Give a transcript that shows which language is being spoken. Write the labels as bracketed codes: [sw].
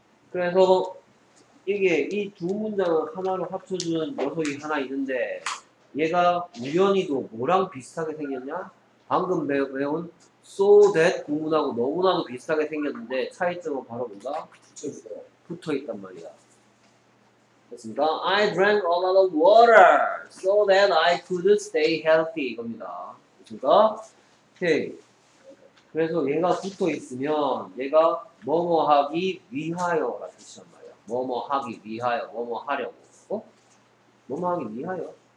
[ko] 그래서 이게 이 두 문장을 하나로 합쳐주는 요소가 하나 있는데 얘가 우연히도 뭐랑 비슷하게 생겼냐? 방금 배운 so that 구문하고 너무나도 비슷하게 생겼는데 차이점은 바로 뭔가? 붙어 있단 말이야. 됐습니까? [en] I drank a lot of water so that I could stay healthy. [ko] 이겁니다. 됐습니까? 오케이. 그래서 얘가 붙어 있으면 얘가 뭐뭐 하기 위하여 라는 뜻이란 말이야. 뭐뭐 하기 위하여, 뭐뭐 하려고. 어? 뭐뭐 하기 위하여?